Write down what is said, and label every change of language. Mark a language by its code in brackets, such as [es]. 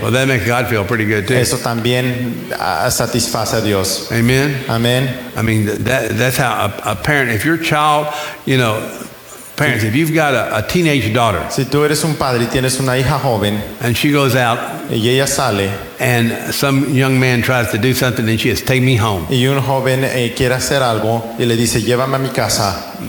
[en] Well, that makes God feel pretty good too. [es] Eso también satisface a Dios. [en] Amen. Amen. I mean, that's how a parent, if your child, you know. Parents, if you've got a teenage daughter, [es] si tú eres un padre y tienes una hija joven, [en] and she goes out, [es] y ella sale, [en] and some young man tries to do something, and she says, "Take me home." [es] Y un joven quiere hacer algo y le dice, "Llévame a mi casa."